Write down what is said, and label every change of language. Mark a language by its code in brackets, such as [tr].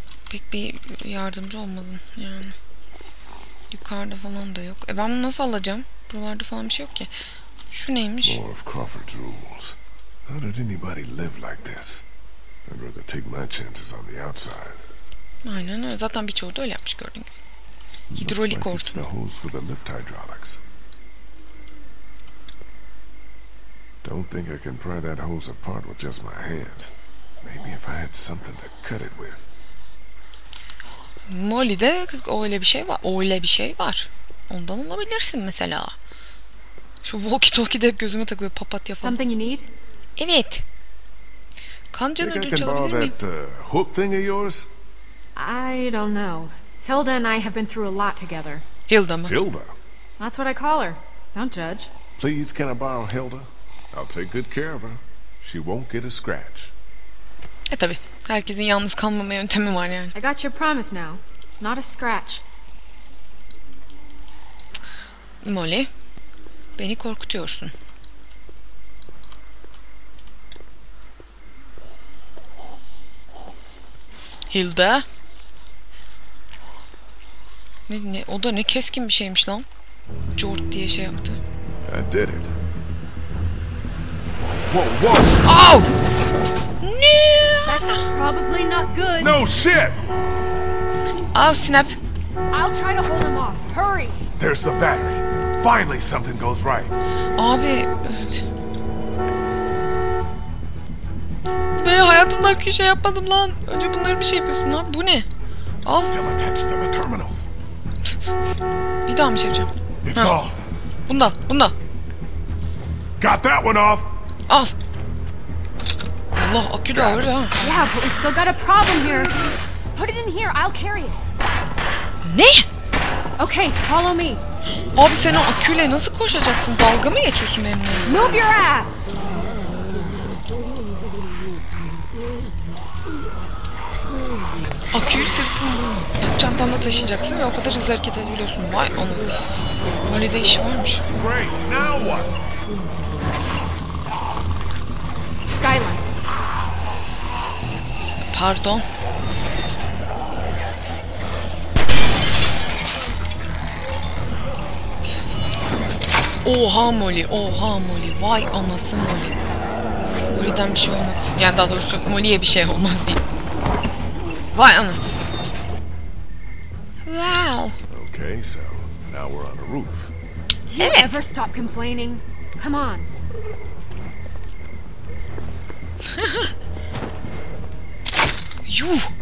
[tr] Pek bir yardımcı olmadın yani. Yukarıda falan da yok. Ben bunu nasıl alacağım? Buralarda falan bir şey yok ki. Şu neymiş? [en] More of Crawford's rules. How did anybody live like this? I'd rather take my chances on the outside. [tr] Aynen öyle. Zaten birçoğu da öyle yapmış gördün. Hidrolik ortamı. [en] Looks like it's the hose for the lift hydraulics. Don't think I can pry that hose apart with just my hands. Maybe if I had something to cut it with. [tr] Molly'de öyle bir şey var. Öyle bir şey var. Ondan alabilirsin mesela. Şu walkie-talkie de hep gözüme takılıyor. Papatya falan. [en] Something you need? [tr] Evet. Kan canı ödülü çalabilir miyim? [en] That, hook thing of yours? I don't know. Hilda and I have been through a lot together. [tr] Hilda mı? Hilda? [en] That's what I call her. Don't judge. Please, can I borrow Hilda? I'll take good care of her. She won't get a scratch. [tr] E tabi. Herkesin yalnız kalmama yöntemi var yani. [en] I got your promise now. Not a scratch. [tr] Molly, beni korkutuyorsun. Hilda. Ne o da ne keskin bir şeymiş lan. Jort diye şey yaptı. [en] I did it. Oh! No! That's probably not good. No shit. Oh, snap. I'll try to hold him off. Hurry. There's the battery. Finally something goes right. [tr] Abi. Ben hayatımda bir şey yapmadım lan. Önce bunları bir şey yapıyorsun lan. Bu ne? Al. [en] Still attached to the terminals. [tr] Bir daha mı çekeceğim? [en] It's ha. Off. [tr] Bunda. [en] Got that one off. [tr] Al. Allah akü de ağır ha. [en] Yeah, but we still got a problem here. Put it in here, I'll carry it. [tr] Ne? [en] Okay, follow me. [tr] Abi sen o aküyle nasıl koşacaksın? Dalga mı geçiyorsun benimle? [en] Move your ass. [tr] Aküyü sırtın çıt çantanda taşıyacaksın ve o kadar hızlı hareket ediyorsun. Vay anasın. Böyle de işi varmış. [en] Great, now what? Skyline. [tr] Pardon. Oha Molly, oha Molly. Vay anasın Molly. Molly'den bir şey olmaz. Yani daha doğrusu Molly'ye bir şey olmaz diyeyim. Vay anasın. [en] Wow. Okay, so now we're on a roof. Do you [tr] evet. [en] Ever stop complaining? Come on. [tr] Yuh.